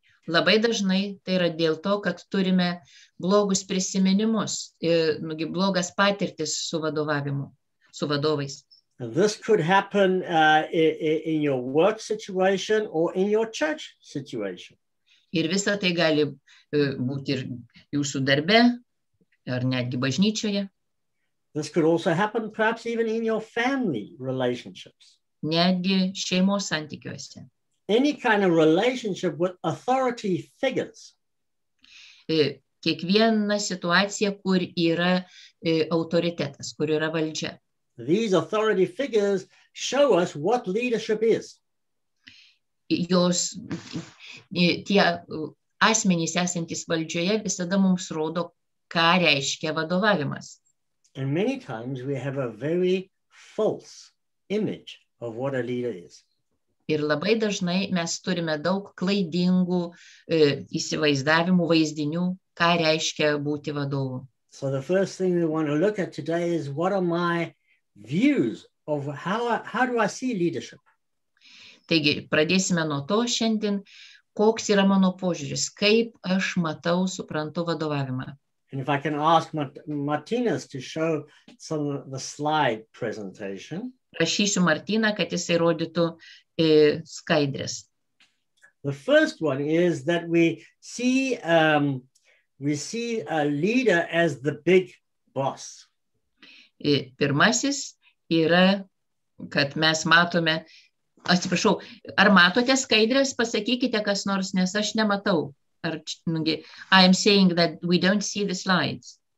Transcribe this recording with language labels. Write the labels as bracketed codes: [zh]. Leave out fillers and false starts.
[lt] Labai dažnai tai yra dėl to, kad turime blogus prisiminimus ir blogas patirtis su vadovavimu, su vadovais. [en] This could happen in your work situation or in your church situation. [lt] Ir visa tai gali būti ir jūsų darbe, ar netgi bažnyčioje. [en] This could also happen perhaps even in your family relationships. [lt] Netgi šeimos santykiuose. [en] Any kind of relationship with authority figures. [lt] Kiekviena situacija, kur yra autoritetas, kur yra valdžia. [en] These authority figures show us what leadership is. [lt] Jos, tie asmenys esantys valdžioje visada mums rodo, ką reiškia vadovavimas. [en] And many times we have a very false image of what a leader is. [lt] Ir labai dažnai mes turime daug klaidingų įsivaizdavimų, vaizdinių, ką reiškia būti vadovu. [en] So the first thing we want to look at today is what are my views of how do I see leadership? [lt] Taigi, pradėsime nuo to šiandien, koks yra mano požiūris, kaip aš matau, suprantu vadovavimą. [en] And if I can ask Martinas to show some of the slide presentation. [lt] Prašysiu Martina, kad jisai rodytų skaidrės. [en] The first one is that we see a leader as the big boss. [lt] Pirmasis yra, kad mes matome, atsiprašau, ar matote skaidrės, pasakykite kas nors, nes aš nematau. [en] Ar, I am saying that we don't see the slides.